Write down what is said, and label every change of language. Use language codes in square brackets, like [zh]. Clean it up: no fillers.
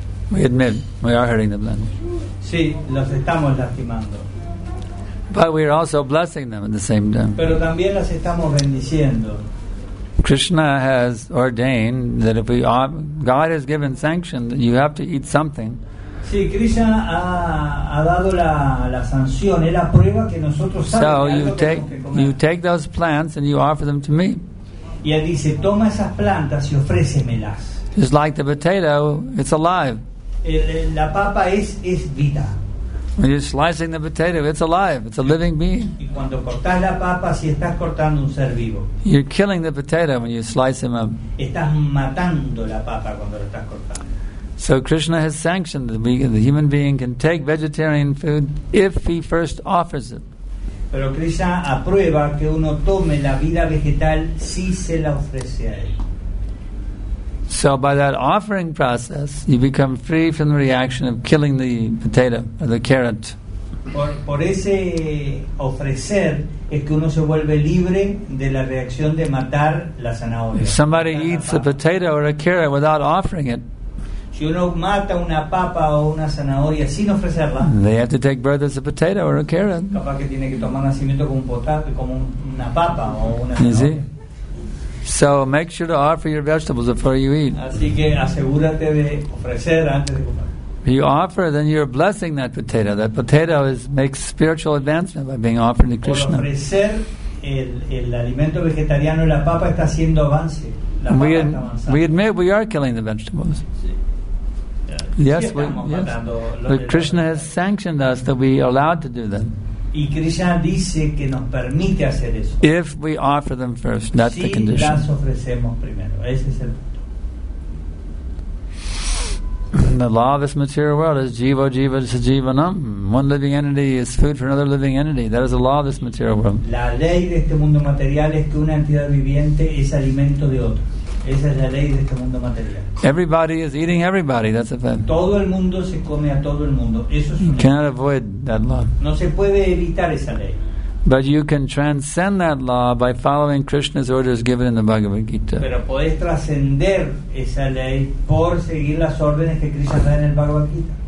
[en] We admit we are hurting the blend. [es] Sí, los estamos lastimando. [en] But we are also blessing them at the same time. [es] Pero también las estamos bendiciendo. [en] Krishna has ordained that if we are, God has given sanction that you have to eat something. [es] Sí, Krishna ha dado la sanción, es la prueba que nosotros sabemos. [en] So you take those plants and you offer them to me. [es] Y él dice, toma esas plantas y ofrécemelas. [en] It's like the potato, it's alive. [es] La papa es vida. [en] You're slicing the potato, it's alive, it's a living being. [es] Y cuando cortas la papa, si estás cortando un ser vivo. [en] You're killing the potato when you slice him up. [es] Estás matando la papa cuando lo estás cortando. [en] So Krishna has sanctioned that the human being can take vegetarian food if he first offers it. [es] Pero Krishna aprueba que uno tome la vida vegetal si se la ofrece a él. [en] So by that offering process, you become free from the reaction of killing the potato or the carrot. [es] Por ese ofrecer es que uno se vuelve libre de la reacción de matar la zanahoria. [en] If somebody eats a potato or a carrot without offering it, [es] si uno mata una papa o una zanahoria sin ofrecerla, [en] they have to take birth as a potato or a carrot. [es] Capaz que tiene que tomar nacimiento como una papa o una zanahoria. [en] So make sure to offer your vegetables before you eat. [es] Así que asegúrate de ofrecer antes de comer. [en] If you offer, then you're blessing that potato. That potato makes spiritual advancement by being offered to Krishna. [es] Por ofrecer el alimento vegetariano, la papa está haciendo avance. [en] We admit we are killing the vegetables. Yes, but Krishna has sanctioned us that we are allowed to do that. [es] Y Krishna dice que nos permite hacer eso. [en] If we offer them first, that's [es] si [en] the condition. [es] Las ofrecemos primero. Ese es el punto. [en] The law of this material world is [sa] jiva jiva sajivanam. [en] One living entity is food for another living entity. That is the law of this material world. [es] La ley de este mundo material es que una entidad viviente es alimento de otro. Esa es la ley de este mundo material. [en] Everybody is eating everybody. That's a fact. [es] Todo el mundo se come a todo el mundo. Eso es. [en] You cannot avoid that law. [es] No se puede evitar esa ley. [en] But you can transcend that law by following Krishna's orders given in the Bhagavad Gita. [es] Pero puedes trascender esa ley por seguir las órdenes que Krishna da en el Bhagavad Gita.